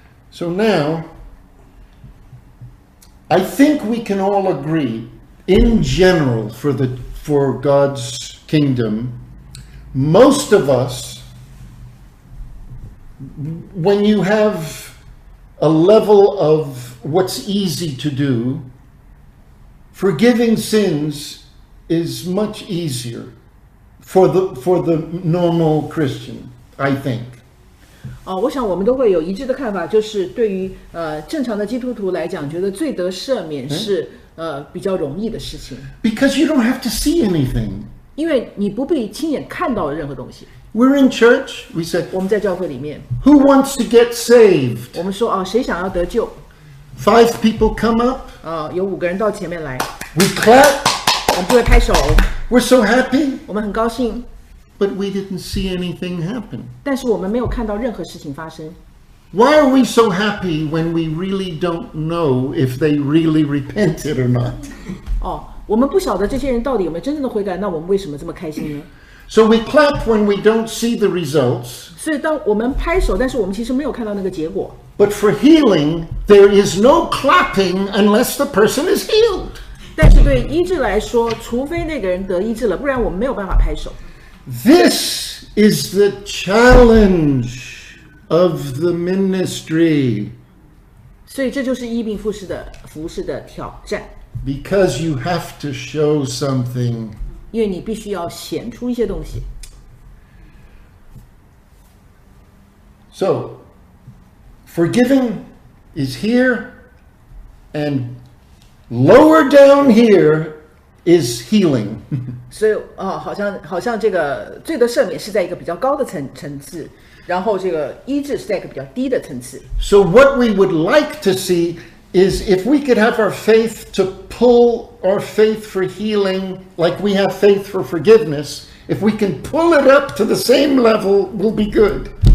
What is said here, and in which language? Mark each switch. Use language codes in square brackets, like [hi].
[en] So now, I think we can all agree, in general, for God's kingdom, most of us, when you have a level of,What's easy to do, forgiving sins is much easier for the normal Christian, I think. [zh] 我想我们都会有一致的看法，就是对于正常的基督徒来讲，觉得罪得赦免是比较容易的事情。 [en] Because you don't have to see anything. [zh] 因为你不必亲眼看到任何东西。 [en] We're in church. We said. [zh] 我们在教会里面。 [en] Who wants to get saved? [zh] 我们说谁想要得救？ [en] Five people come up. [zh] 有五个人到前面来。 [en] We clap. [zh] 我们就会拍手。 [en] We're so happy. [zh] 我们很高兴。 [en] But we didn't see anything happen. [zh] 但是我们没有看到任何事情发生。 [en] Why are we so happy when we really don't know if they really repented or not? [zh] 我们不晓得这些人到底有没有真正的悔改，那我们为什么这么开心呢？ [en] So we clap when we don't see the results. [zh] 所以当我们拍手，但是我们其实没有看到那个结果。 [en] But for healing, there is no clapping unless the person is healed. [zh] 但是对医治来说，除非那个人得医治了，不然我们没有办法拍手。 [en] This is the challenge of the ministry. [zh] 所以这就是医病复视的服事的挑战。 [en] Because you have to show something. [zh] 因为你必须要显出一些东西。 [en] So, forgiving is here, and lower down here is healing. [zh] 所以好像这个罪的赦免是在一个比较高的层次，然后这个医治是在一个比较低的层次。 [en] So what we would like to see is if we could have our faith to pull our faith for healing, like we have faith for forgiveness, if we can pull it up to the same level, we'll be good.